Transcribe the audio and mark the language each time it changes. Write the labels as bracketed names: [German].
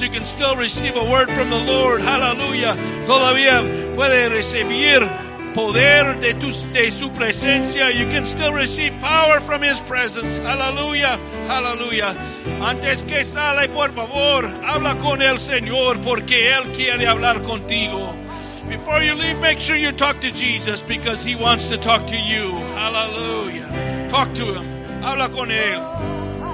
[English] You can still receive a word from the Lord. Hallelujah. [Spanish] Todavía puede recibir poder de su presencia. [English] You can still receive power from His presence. Hallelujah. Hallelujah. [Spanish] Antes que sale, por favor, habla con el Señor porque Él quiere hablar contigo. [English] Before you leave, make sure you talk to Jesus because He wants to talk to you. Hallelujah. Talk to Him. [Spanish] Habla con Él.